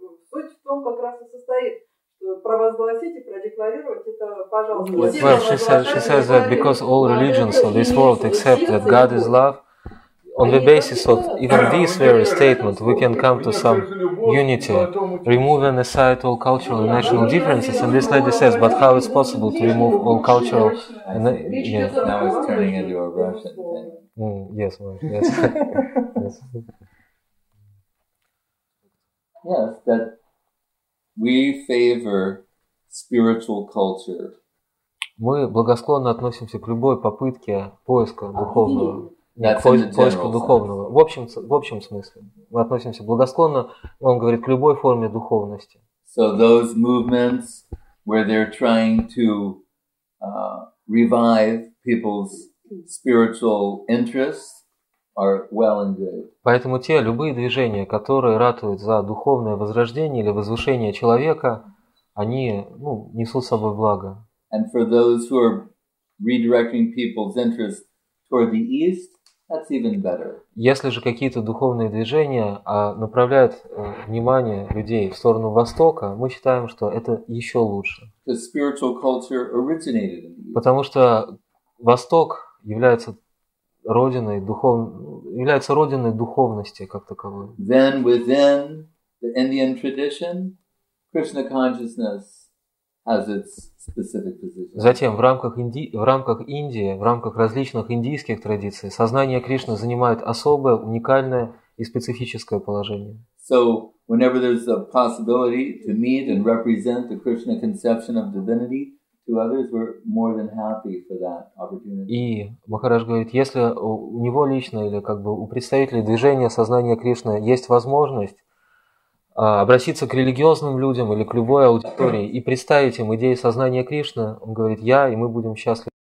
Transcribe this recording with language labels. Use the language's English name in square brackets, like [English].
[Russian] суть в том как раз и состоит. Провозгласить и продекларировать это, пожалуйста. [English] Well, well, she says that because all religions of this world accept that God is love, on the basis of even this very statement, we can come to some unity, removing aside all cultural and national differences. And this lady says, but how is possible to remove all cultural and yeah. Now it's turning into a Russian thing. Yes, well, yes. Yes. Yes, that we favor spiritual culture. [Russian] Мы благосклонно относимся к любой попытке поиска духовного, поиска духовного. В общем смысле. Мы относимся благосклонно, он говорит, к любой форме духовности. [English] So those movements where they're trying to revive people's spiritual interests are well and good. [Russian] Поэтому те любые движения, которые ратуют за духовное возрождение или возвышение человека, они, ну, несут с собой благо. [English] And for those who are redirecting people's interest toward the east, that's even better. [Russian] Если же какие-то духовные движения направляют внимание людей в сторону востока, мы считаем, что это еще лучше. [English] The spiritual culture originated in the east. [Russian] Потому что Восток является родиной духовности как таковой. [English] Then within the Indian tradition, Krishna consciousness has its specific position. [Russian] Затем в рамках различных индийских традиций сознание Кришны занимает особое, уникальное и специфическое положение. [English] So whenever there's a possibility to meet and represent the Krishna conception of divinity to others, we're more than happy for that opportunity. [Russian] И Махарадж говорит, если у него лично или как бы у представителей движения сознания Кришны есть возможность обратиться к религиозным людям или к любой аудитории и представить им идеи сознания Кришны, он говорит, я и мы будем счастливы.